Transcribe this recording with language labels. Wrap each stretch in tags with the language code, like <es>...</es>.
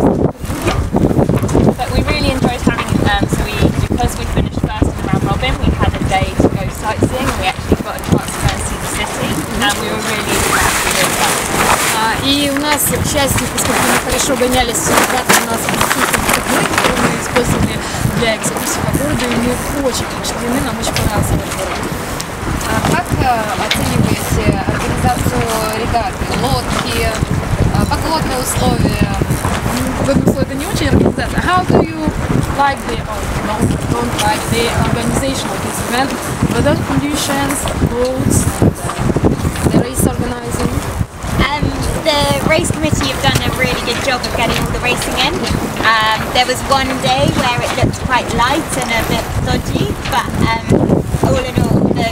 <en>But we really enjoyed having because we finished first in round robin, we had a day to go sightseeing. We actually got a chance to go and see the city, and we were really happy with that.</en> <ru>И у нас счастье, поскольку мы хорошо гонялись, все ребята у нас были, мы использовали для экскурсии по городу, и мы очень впечатлены, нам очень понравился этот город. Как оцениваете организацию регаты, лодки? Погодные условия. Погодные условия не очень организация.</ru> <en>How do you like the don't like the organization of this event? Weather conditions, boats, the race organizing. The race committee have done a really good job of getting all the racing in. There was one day where it looked quite light and a bit dodgy, but all in all,</en>